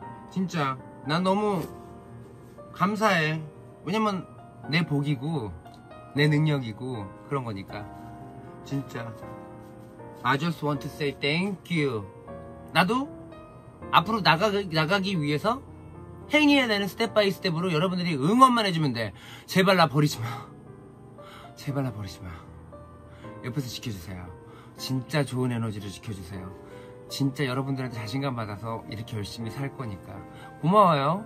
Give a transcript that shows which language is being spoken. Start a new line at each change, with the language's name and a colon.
Korean: 진짜 난 너무 감사해. 왜냐면 내 복이고 내 능력이고 그런 거니까.
English: 진짜 I just want to say thank you.
Korean: 나도 앞으로 나가기 위해서 행해야 되는 스텝 바이 스텝으로 여러분들이 응원만 해주면 돼. 제발 나 버리지 마. 제발 나 버리지 마. 옆에서 지켜주세요. 진짜 좋은 에너지를 지켜주세요. 진짜 여러분들한테 자신감 받아서 이렇게 열심히 살 거니까 고마워요.